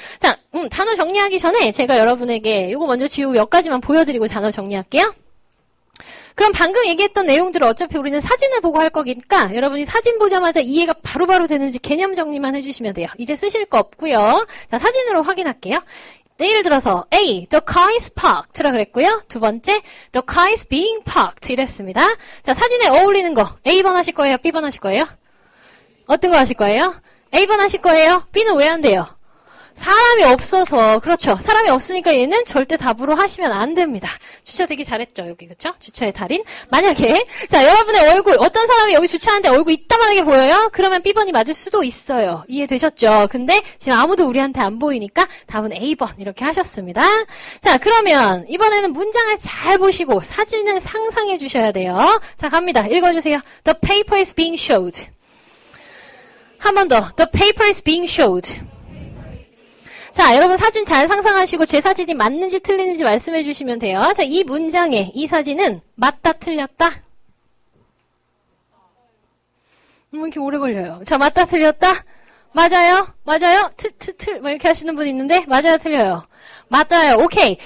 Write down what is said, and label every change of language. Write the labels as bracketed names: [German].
[Korean] 자, 단어 정리하기 전에 제가 여러분에게 이거 먼저 지우고 몇 가지만 보여드리고 단어 정리할게요. 그럼 방금 얘기했던 내용들을 어차피 우리는 사진을 보고 할 거니까 여러분이 사진 보자마자 이해가 바로바로 되는지 개념 정리만 해주시면 돼요. 이제 쓰실 거 없고요. 자, 사진으로 확인할게요. 예를 들어서 [English] A, the car is parked [Korean] 라 그랬고요. 두 번째, [English] the car is being parked [Korean] 이랬습니다. 자, 사진에 어울리는 거 A번 하실 거예요? B번 하실 거예요? 어떤 거 하실 거예요? A번 하실 거예요? B는 왜 안 돼요? 사람이 없어서. 그렇죠. 사람이 없으니까 얘는 절대 답으로 하시면 안 됩니다. 주차되기 잘했죠. 여기 그렇죠? 주차의 달인. 만약에 자 여러분의 얼굴 어떤 사람이 여기 주차하는데 얼굴 이따만하게 보여요? 그러면 B번이 맞을 수도 있어요. 이해되셨죠? 근데 지금 아무도 우리한테 안 보이니까 답은 A번 이렇게 하셨습니다. 자 그러면 이번에는 문장을 잘 보시고 사진을 상상해 주셔야 돼요. 자 갑니다. 읽어주세요. [English] The paper is being showed. [Korean] 한 번 더. [English] The paper is being showed. [Korean] 자, 여러분 사진 잘 상상하시고 제 사진이 맞는지 틀리는지 말씀해 주시면 돼요. 자, 이 문장에 이 사진은 맞다 틀렸다? 이렇게 오래 걸려요. 자, 맞다 틀렸다? 맞아요? 맞아요? 뭐 이렇게 하시는 분 있는데 맞아요? 틀려요? 맞아요. 오케이.